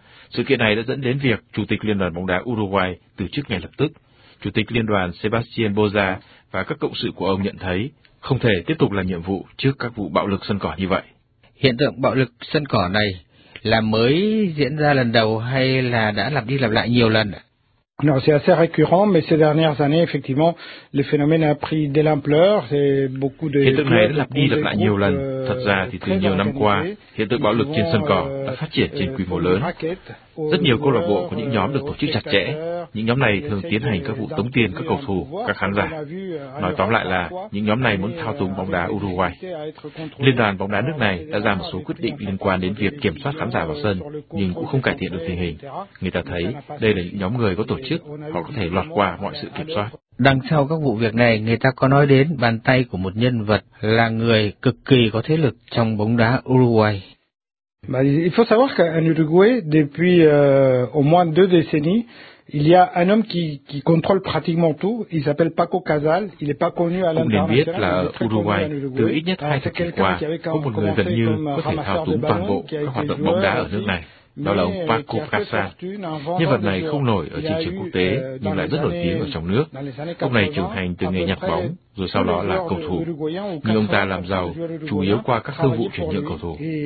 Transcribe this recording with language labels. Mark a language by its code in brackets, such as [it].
[vi] Sự kiện này đã dẫn đến việc Chủ tịch Liên đoàn bóng đá Uruguay từ chức ngay lập tức. Chủ tịch Liên đoàn Sebastian Boza và các cộng sự của ông nhận thấy không thể tiếp tục làm nhiệm vụ trước các vụ bạo lực sân cỏ như vậy. Hiện tượng bạo lực sân cỏ này là mới diễn ra lần đầu hay là đã lặp đi lặp lại nhiều lần ạ? [fr] Non, c'est assez récurrent, mais ces dernières années, effectivement, le phénomène a pris de l'ampleur. C'est beaucoup de. [vi] Hiện tượng này đã lặp đi lặp lại nhiều lần. Thật ra thì từ nhiều năm qua, hiện tượng bạo lực trên sân cỏ đã phát triển trên quy mô lớn. Rất nhiều câu lạc bộ có những nhóm được tổ chức chặt chẽ. Những nhóm này thường tiến hành các vụ tống tiền các cầu thủ, các khán giả. Nói tóm lại là những nhóm này muốn thao túng bóng đá Uruguay. Liên đoàn bóng đá nước này đã ra một số quyết định liên quan đến việc kiểm soát khán giả vào sân, nhưng cũng không cải thiện được tình hình. Người ta thấy đây là những nhóm người có tổ chức, họ có thể lọt qua mọi sự kiểm soát. Đằng sau các vụ việc này, người ta có nói đến bàn tay của một nhân vật là người cực kỳ có thế lực trong bóng đá Uruguay. [fr] Il faut savoir qu'en Uruguay, depuis au moins deux décennies, il y a un homme qui contrôle pratiquement tout. Il s'appelle Paco Casal. Il n'est pas connu à l'international. [vi] Uruguay, từ ít nhất hai thập kỷ qua, có một người gần như có thể thao túng toàn bộ các hoạt động bóng đá ở nước này. Đó là ông Paco Casal. Nhân vật này không nổi ở trên trường quốc tế, nhưng lại rất nổi tiếng ở trong nước. Ông này trưởng thành từ nghề nhặt bóng, rồi sau đó là cầu thủ. Nhưng ông ta làm giàu chủ yếu qua các thương vụ chuyển nhượng cầu thủ.